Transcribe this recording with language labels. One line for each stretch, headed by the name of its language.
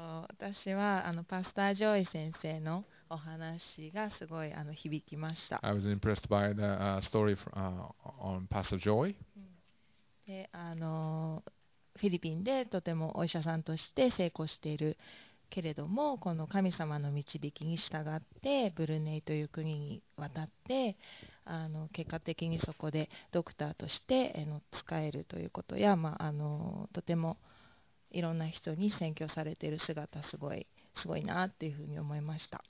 Japanese: 私はパスタージョイ先生のお話がすごい響きました。
English: I was impressed by the story on Pastor Joy.
Japanese: で、フィリピンでとてもお医者さんとして成功しているけれども、この神様の導きに従ってブルネイという国に渡って、結果的にそこでドクターとして使えるということや、まあ、とてもいろんな人に宣教されている姿、すごいなっていうふうに思いました。